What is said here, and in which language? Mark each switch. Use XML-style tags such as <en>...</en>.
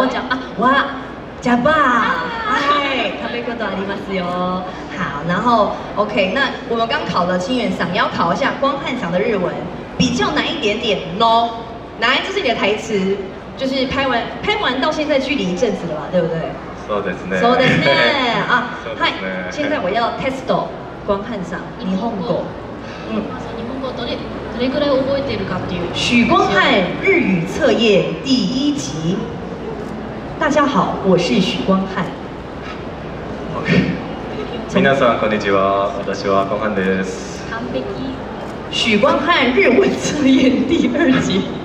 <zh>我加啊，哇，加爸，哎，</zh> <ja>食べることありますよ。</ja> <zh>好，然后 OK， 那我们刚考了清源嗓，要考一下光汉嗓的日文，比较难一点点 ，no， 来，这是你的台词，就是拍完到现在距离一阵子了吧，对不对？</zh> <ja>そうですね。そうですね。</ja> <zh>啊，嗨，现在我要 test 光汉嗓，日本語。嗯。</zh> <ja>どれくらい覚えているかっていう。</ja> <zh>许光汉日语测验第一集。大家好，我是许光汉。</zh> <ja>OK。 皆さんこんにちは。私は光汉です。完璧。</ja> <zh>许光汉日文测验第二集。</zh>